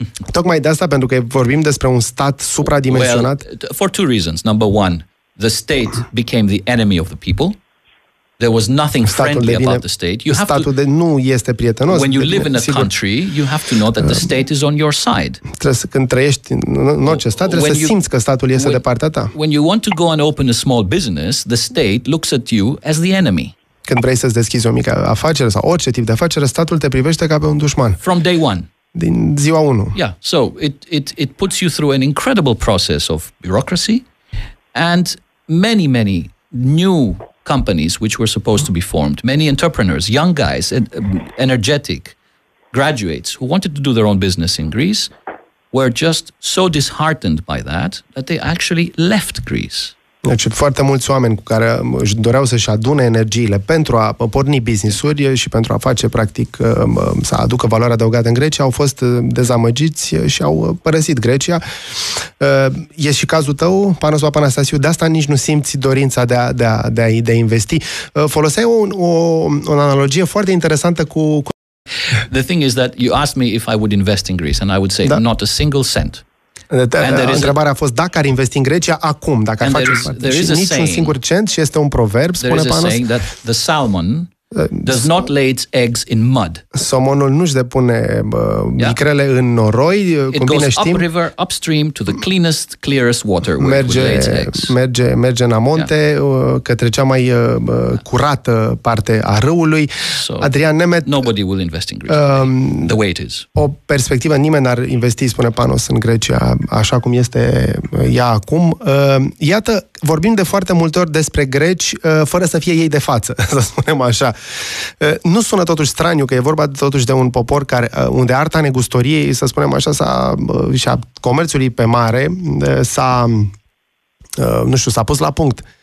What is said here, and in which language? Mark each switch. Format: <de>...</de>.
<ro>Tocmai de asta, pentru că vorbim despre un stat supradimensionat.</ro> <en>Well, for two reasons. Number one, the state became the enemy of the people. There was nothing</en> <ro>statul</ro> <en>friendly about the state. You have to,</en> <ro>nu este prietenos.</ro> <en>When you live</en> <ro>bine,</ro> <en>in a country,</en> <ro>sigur,</ro> <en>you have to know that the state is on your side.</en> <ro>Când trăiești în orice stat, trebuie să simți că statul este de partea ta.</ro> <en>When you want to go and open a small business, the state looks at you as the enemy.</en> <ro>Când vrei să-ți deschizi o mică afacere sau orice tip de afacere, statul te privește ca pe un dușman.</ro> <en>From day one.</en> <ro>Din ziua 1.</ro> <en>Yeah, so it puts you through an incredible process of bureaucracy. And many, many new companies which were supposed to be formed, many entrepreneurs, young guys, energetic graduates who wanted to do their own business in Greece, were just so disheartened by that they actually left Greece.</en> <ro>Deci foarte mulți oameni cu care își doreau să-și adune energiile pentru a porni business-uri și pentru a face, practic, să aducă valoare adăugată în Grecia, au fost dezamăgiți și au părăsit Grecia. E și cazul tău, Panos Papanastasiu, de asta nici nu simți dorința de a investi. Foloseai o analogie foarte interesantă cu...</ro> <en>The thing is that you asked me if I would invest in Greece and I would say not a single cent.</en> <ro>Întrebarea a fost dacă ar investi în Grecia acum, dacă ar face un singur cent, și este un proverb, spune Panos.</ro> <en>There is a saying that the salmon does not lay its eggs in mud.</en> <ro>Somonul nu-și depune micrele în noroi, cum bine știm.</ro> <en>It goes upriver, upstream, to the cleanest, clearest water where</en> <ro>merge,</ro> <en>it lays its eggs.</en> <ro>Merge în amonte, către cea mai curată parte a râului.</ro> <en>So, Adrian Nemeth, nobody will invest in Greece, the way it is.</en> <ro>O perspectivă, nimeni n-ar investi, spune Panos, în Grecia, așa cum este ea acum. Iată, vorbim de foarte multe ori despre greci, fără să fie ei de față, să spunem așa. Așa. Nu sună totuși straniu că e vorba totuși de un popor care, unde arta negustoriei, să spunem așa, și a comerțului pe mare s-a pus la punct.</ro>